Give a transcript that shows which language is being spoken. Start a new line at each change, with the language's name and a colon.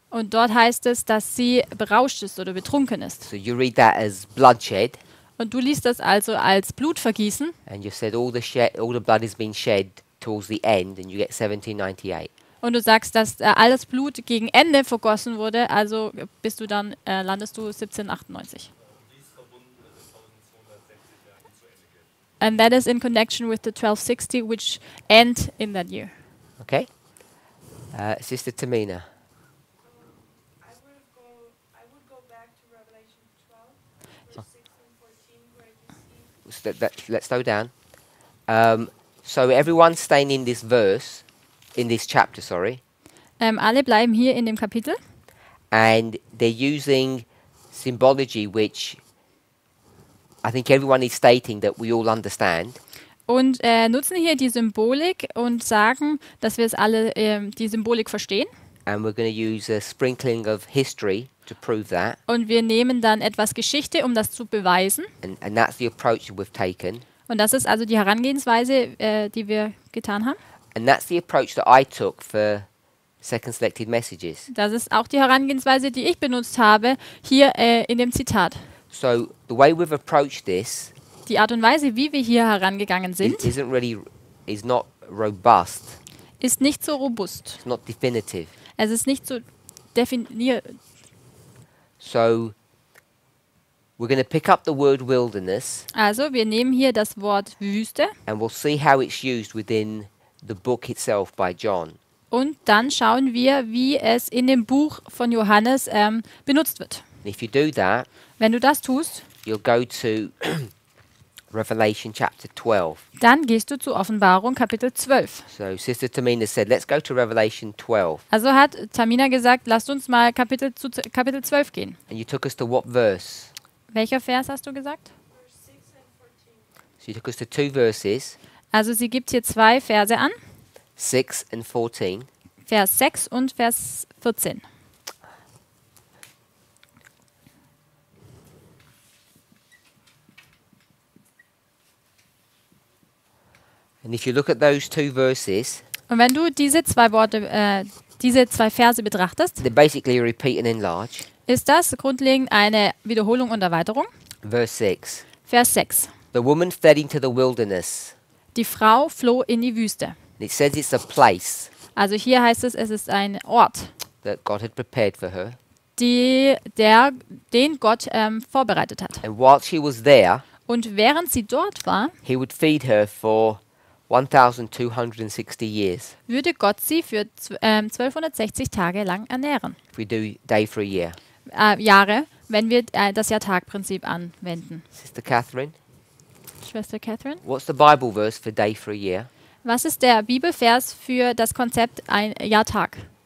German: Und dort heißt es, dass sie berauscht ist oder betrunken ist.
English: So you read that as bloodshed.
German: Und du liest das also als Blutvergießen.
English: And you said all the blood has been shed towards the end and you get 1798.
German: Und du sagst, dass alles Blut gegen Ende vergossen wurde, also bist du dann landest du 1798.
English: And that is in connection with the 1260 which end in that year. Okay. Sister Tamina. Let's slow down. So everyone's staying in this verse, in this chapter, sorry.
German: Alle bleiben hier in dem Kapitel.
English: And they're using symbology, which I think everyone is stating that we all understand.
German: Und nutzen hier die Symbolik und sagen, dass wir es alle die Symbolik verstehen.
English: And we're going to use a sprinkling of history to prove that.
German: Und wir nehmen dann etwas Geschichte, um das zu beweisen.
English: And that's the approach we've taken.
German: Und das ist also die Herangehensweise, die wir getan haben.
English: And that's the approach that I took for second selected messages.
German: Das ist auch die Herangehensweise, die ich benutzt habe, hier in dem Zitat.
English: So the way we've approached this,
German: die Art und Weise, wie wir hier herangegangen sind,
English: is not robust.
German: Ist nicht so robust.
English: It's not definitive.
German: Es ist nicht so definiert.
English: So we're going to pick up the word wilderness.
German: Also, wir nehmen hier das Wort Wüste.
English: And we'll see how it's used within the book itself by John.
German: Und dann schauen wir, wie es in dem Buch von Johannes benutzt wird.
English: If you do that,
German: wenn du das tust,
English: you'll go to Revelation chapter 12.
German: Dann gehst du zu Offenbarung Kapitel 12.
English: So Sister Tamina said, let's go to Revelation 12.
German: Also hat Tamina gesagt, lasst uns mal Kapitel zu Kapitel 12 gehen.
English: And you took us to what verse?
German: Welcher Vers hast du gesagt?
English: She took us to two verses.
German: Also sie gibt hier zwei Verse an.
English: 6 and 14.
German: Vers 6 und Vers 14.
English: And if you look at those two verses,
German: und wenn du diese zwei Worte, diese zwei Verse betrachtest,
English: they're basically repeat and enlarge.
German: Ist das grundlegend eine Wiederholung und Erweiterung?
English: Verse 6.
German: Vers 6.
English: The woman fled into the wilderness.
German: Die Frau floh in die Wüste.
English: It says it's a place.
German: Also hier heißt es, es ist ein Ort.
English: That God had prepared for her.
German: Den Gott vorbereitet hat.
English: And while she was there,
German: und während sie dort war,
English: he would feed her for 1260 years.
German: Würde Gott sie für 1260 Tage lang ernähren.
English: If we do day for a year.
German: Jahre, wenn wir das Jahr-Tag-Prinzip anwenden.
English: Sister Catherine.
German: Schwester Catherine.
English: What's the Bible verse for day for a year?
German: Was ist der Bibelvers für das Konzept ein Jahr-Tag?